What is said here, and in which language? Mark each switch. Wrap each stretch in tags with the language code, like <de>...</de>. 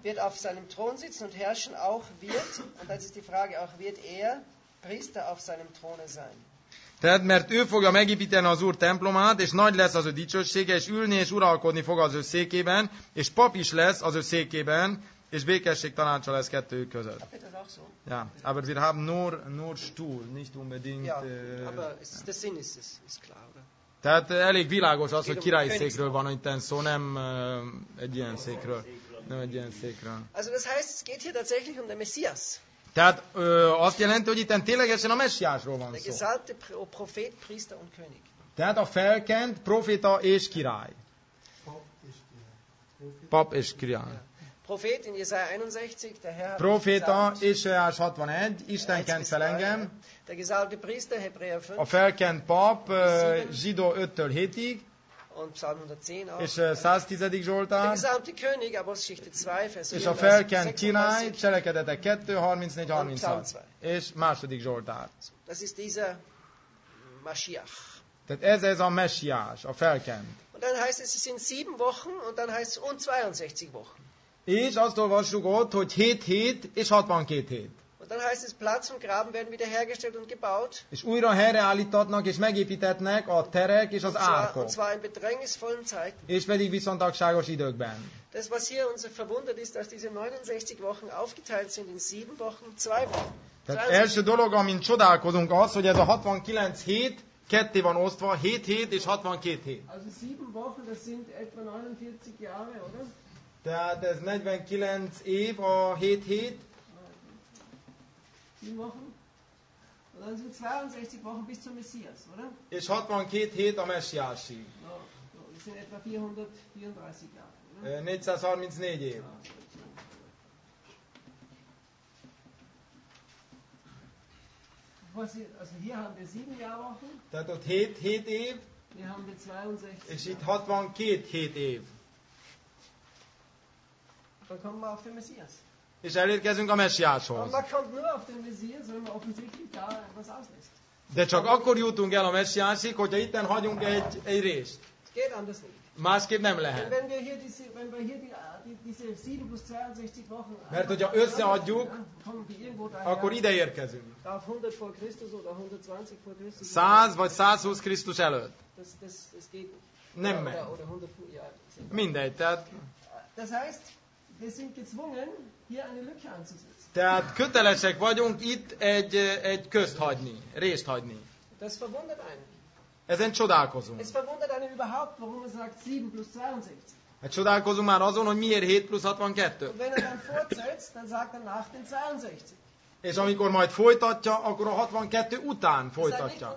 <de>Wird auf seinem Thron sitzen und herrschen auch wird. Und das ist die Frage, auch wird er Priester auf seinem Throne sein.</de> <hu>Tehát, mert ő fogja megépíteni az Úr templomát, és nagy lesz az ő dicsősége, és ülni és uralkodni fog az ő székében, és pap is lesz az ő székében, és békesség tanácsa lesz kettőjük között.</hu> <de>Ja, aber wir haben nur Stuhl, nicht unbedingt. Ja, aber der Sinn ist klar, oder?</de> <hu>Tehát elég világos az, hogy királyi székről van itten szó, nem egy ilyen székről. Nem egy ilyen székről.</hu> <de>Also das heißt, es geht hier tatsächlich um den Messias.</de> <hu>Tehát azt jelenti, hogy itten ténylegesen a messiásról van szó.</hu> <de>Der gesalbte Prophet, Priester und König.</de> <hu>Tehát a felkent proféta és király. Pap és király.</hu> <de>Prophet in Jesaja 61, der Herr hat</de> <hu>Propheta, Jesaja 61, Isten kent fel engem.</hu> <de>Der gesalbte Priester, Hebräer 5.</de> <hu>A felkent pap, Zsidó 5-től 7-ig.</hu> <de>Und Psalm 110 auch.</de> <hu>És 110. Zsoltár.</hu> <de>Der gesalbte König, Apostelgeschichte 2, Vers</de> <hu>4. És a felkent király, Cselekedetek 2, 34-36. És második Zsoltár.</hu> <de>Das ist dieser Mashiach.</de> <hu>Tehát ez a messiás, a felkent.</hu> <de>Und dann heißt es, es sind 7 Wochen, und dann heißt es, und 62 Wochen.</de> <hu>És azt olvassuk ott, hogy 7 hét és 62 hét.</hu> <de>Und dann heißt es, Platz und Graben werden wiederhergestellt und gebaut.</de> <hu>És újra helyreállítatnak és megépítetnek a terek és az árkok.</hu> <de>Und zwar in bedrängnisvollen Zeiten.</de> <hu>És pedig viszontagságos időkben.</hu> <de>Das, was hier uns verwundert ist, dass diese 69 Wochen aufgeteilt sind in 7 Wochen, 2 Wochen.</de> <hu>Tehát első dolog, amin csodálkozunk az, hogy ez a 69 hét ketté van osztva, 7 hét és 62 hét.</hu> <de>Also 7 Wochen, das sind etwa 49 Jahre, oder?</de> <hu>Tehát ez 49 év a 7 hét.</hu> <de>62 Wochen bis zum Messias, oder?</de> <hu>És 62 hét a messiásig.</hu> <de>No, das sind etwa 434 Jahre, oder?</de> <hu>434 év.</hu> <de>Was ist, also hier haben wir 7 Jahrwochen.</de> <hu>Tehát ott 7 év.</hu> <de>Wir haben die 62.</de> <hu>És itt 62 hét év.</hu> <de>Dann kommen wir auf den Messias.</de> <hu>És elérkezünk a messiáshoz.</hu> <de>Und man kommt nur auf den Messias, wenn man offensichtlich da etwas auslässt.</de> <hu>De csak akkor jutunk el a messiásig, hogyha itten hagyunk egy részt.</hu> <de>Es geht anders nicht.</de> <hu>Másképp nem lehet.</hu> <de>Wenn wir hier diese 7 plus 62 Wochen.</de> <hu>Mert hogyha összeadjuk, akkor ide érkezünk.</hu> <de>100 vor Christus oder 120 vor Christus.</de> <hu>100 vagy 120 Krisztus előtt.</hu> <de>Das geht.</de> <hu>Nem megy. Mindegy, tehát.</hu> <de>Das heißt, wir sind gezwungen, hier eine Lücke anzusetzen.</de> <hu>Tehát kötelesek vagyunk itt egy közt hagyni, részt hagyni.</hu> <de>Das verwundert einen.</de> <hu>Ezen csodálkozunk.</hu> <de>Es verwundert einen überhaupt, warum es sagt 7 plus 62.</de> <hu>Hát csodálkozunk már azon, hogy miért 7 plus 62.</hu> <de>Und wenn er dann fortsetzt, dann sagt er nach den 62.</de> <hu>És amikor majd folytatja, akkor a 62 után folytatja.</hu>